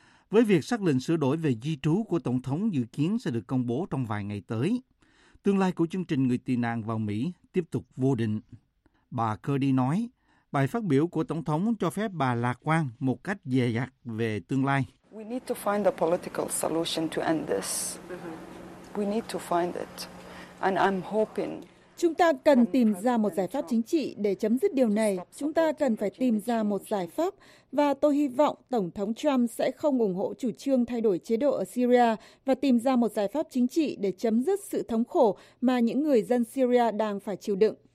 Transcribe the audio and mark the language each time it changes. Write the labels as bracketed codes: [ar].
[vi] Với việc xác lệnh sửa đổi về di trú của Tổng thống dự kiến sẽ được công bố trong vài ngày tới, tương lai của chương trình người tị nạn vào Mỹ tiếp tục vô định. Bà Kurdi nói, bài phát biểu của Tổng thống cho phép bà lạc quan một cách dè dặt về tương lai. [en] We need to find a political solution to end this. We need to find it. And I'm hoping... [vi] Chúng ta cần tìm ra một giải pháp chính trị để chấm dứt điều này. Chúng ta cần phải tìm ra một giải pháp và tôi hy vọng Tổng thống Trump sẽ không ủng hộ chủ trương thay đổi chế độ ở Syria và tìm ra một giải pháp chính trị để chấm dứt sự thống khổ mà những người dân Syria đang phải chịu đựng.